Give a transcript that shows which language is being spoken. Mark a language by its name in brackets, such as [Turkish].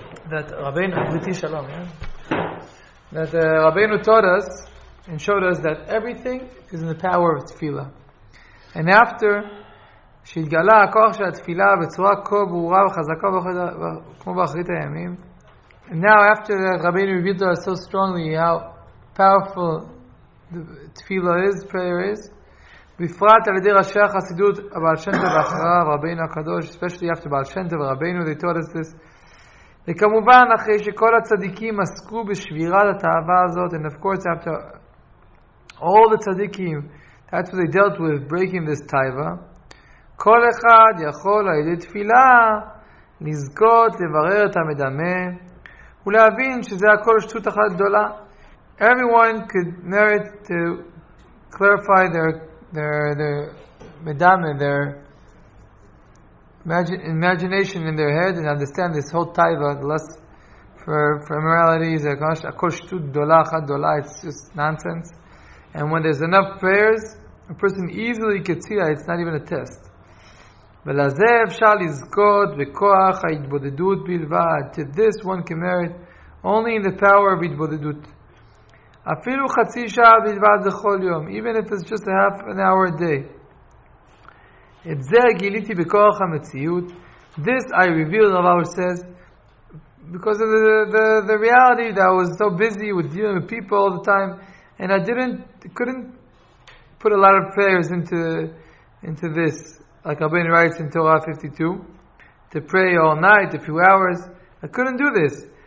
[English] that Rabbeinu, Briti Shalom, that Rabbeinu taught us and showed us that everything is in the power of tefillah. And after [Hebrew] שהתגלה הכוח של התפילה בצורה כה ברורה וחזקה כמו באחרית הימים. [English] And now after that, Rabbeinu revealed to us so strongly how powerful the tefillah is, prayer is. [Hebrew] בפרט על ידי ראשי החסידות, הבעל שם טוב ואחריו, רבינו הקדוש, [English] especially after [Hebrew] הבעל שם טוב ורבינו, [English] they told us this. [Hebrew] וכמובן, אחרי שכל הצדיקים עסקו בשבירת התאווה הזאת, [English] and of course after all the tzaddikim, that's what they dealt with, breaking this taiva, [Hebrew] כל אחד יכול על ידי תפילה לזכות לברר את המדמה ולהבין שזה הכל שטות אחת גדולה. [English] Everyone could merit to clarify their medame, their imagination in their head and understand this whole taiva, the lust for immorality, [Hebrew] זה הכל שטות גדולה אחת גדולה, [English] it's just nonsense. And when there's enough prayers, a person easily could see that it's not even a test. [Hebrew] ולזה אפשר לזכות בכוח ההתבודדות בלבד. [English] To this one can merit only in the power of התבודדות. [Hebrew] אפילו חצי שעה בלבד בכל יום. [English] Even if it's just a half an hour a day. [Hebrew] את זה גיליתי בכוח המציאות. [English] This I revealed, Rav says, because of the reality that I was so busy with dealing with people all the time, and I couldn't put a lot of prayers into this. Like Rabbeinu writes in Torah 52, to pray all night, a few hours. I couldn't do this.